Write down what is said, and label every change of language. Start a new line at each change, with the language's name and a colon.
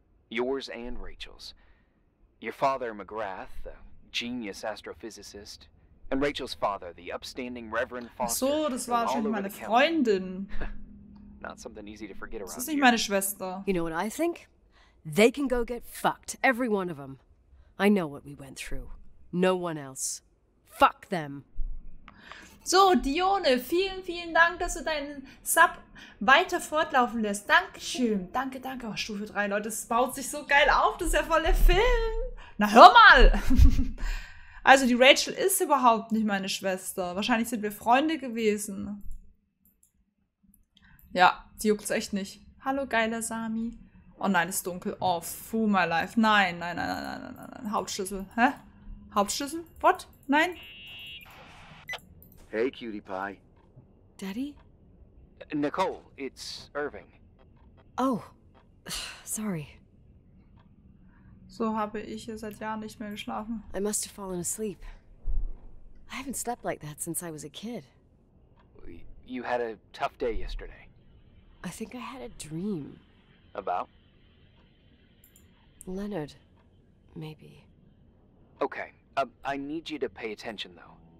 English: Yours and Rachel's. Your father, McGrath, the genius astrophysicist. And Rachel's father, the upstanding Reverend Foster.
German: So, das war schon meine Freundin.
English: Not something easy to forget around
German: here. Das ist nicht meine Schwester.
English: You know what I think? They can go get fucked, every one of them. I know what we went through. No one else. Fuck them.
German: So, Dione, vielen, vielen Dank, dass du deinen Sub weiter fortlaufen lässt. Dankeschön. Danke, danke. Oh, Stufe 3, Leute, das baut sich so geil auf. Das ist ja voll der Film. Na, hör mal. Also, die Rachel ist überhaupt nicht meine Schwester. Wahrscheinlich sind wir Freunde gewesen. Ja, die juckt's echt nicht. Hallo, geiler Sami. Oh nein, es ist dunkel.
English: Oh, fuh, my life.
German: Nein, nein, nein, nein, nein, nein, nein. Hauptschlüssel. Hä? Hauptschlüssel? What? Nein?
English: Hey, cutie pie. Daddy? Nicole, it's Irving. Oh, sorry.
German: So habe ich hier seit Jahren nicht mehr geschlafen.
English: I must have fallen asleep. I haven't slept like that since I was a kid. You had a tough day yesterday. I think I had a dream. About? Leonard, maybe. Okay, I need you to pay attention, though.